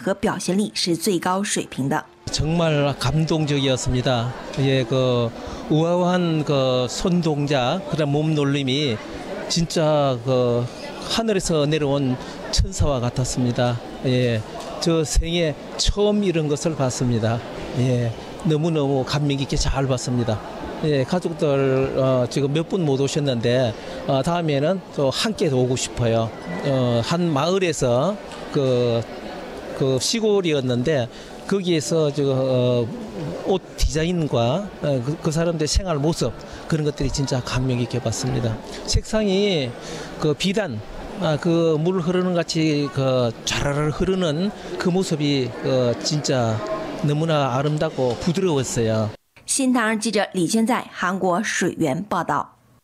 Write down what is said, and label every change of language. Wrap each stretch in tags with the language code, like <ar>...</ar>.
<zh>当天的一位观众称赞到神韵艺术团团员们的技能和表现力是最高水平的。</zh> <ko>정말 감동적이었습니다. 예, 그 우아한 그 손동작, 그런 몸놀림이 진짜 그 하늘에서 내려온 천사와 같았습니다. 예, 저 생에 처음 이런 것을 봤습니다. 예, 너무너무 감명깊게 잘 봤습니다. 예, 가족들 지금 몇 분 못 오셨는데 다음에는 또 함께 오고 싶어요. 한 마을에서 그 시골이었는데 거기에서 옷 디자인과 그 사람들의 생활 모습, 그런 것들이 진짜 감명깊게 봤습니다. 색상이 그 비단, 그 물 흐르는 같이 그 자라라 흐르는 그 모습이 진짜 너무나 아름답고 부드러웠어요.</ko> <zh>신唐人记者李千在韩国水源报道。</zh>